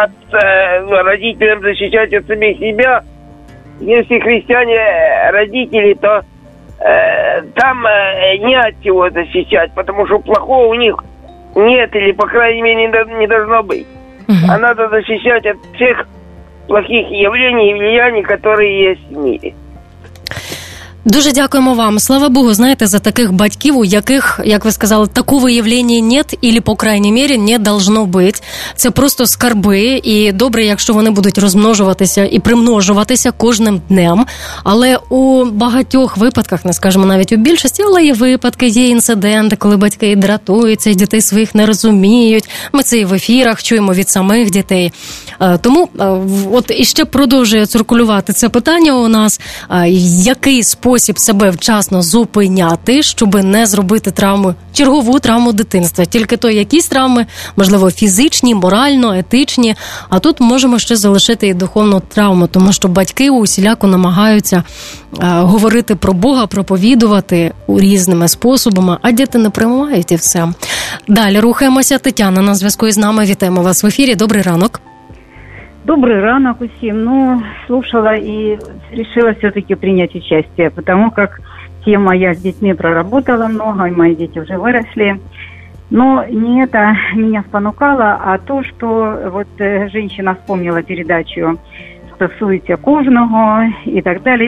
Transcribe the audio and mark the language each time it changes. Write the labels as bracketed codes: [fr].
[ru] родителям защищать от самих себя. Если христиане родители, то там не от чего защищать, потому что плохого у них нет, или, по крайней мере, не должно быть. Угу. А надо защищать от всех плохих явлений и влияний, которые есть в мире. [uk] Дуже дякуємо вам. Слава Богу, знаєте, за таких батьків, у яких, як ви сказали, такого явлення [ru] нет, или, по крайней мере, не должно быть. [uk] Це просто скарби, і добре, якщо вони будуть розмножуватися і примножуватися кожним днем. Але у багатьох випадках, не скажемо навіть у більшості, але є випадки, є інциденти, коли батьки дратуються, і дітей своїх не розуміють. Ми це і в ефірах чуємо від самих дітей. Тому, от і ще продовжує циркулювати це питання у нас, який спосіб себе вчасно зупиняти, щоб не зробити травму, чергову травму дитинства. Тільки то якісь травми, можливо, фізичні, морально, етичні, а тут можемо ще залишити і духовну травму, тому що батьки усіляко намагаються говорити про Бога, проповідувати різними способами, а діти не приймають і все. Далі рухаємося. Тетяна на зв'язку із нами. Вітаємо вас в ефірі. Добрий ранок. Добрый ранок усім. [ru] Ну, слушала и решила все-таки принять участие, потому как тема я с детьми проработала много, и мои дети уже выросли. Но не это меня понукало, а то, что вот женщина вспомнила передачу «Стасуйте кожного» и так далее.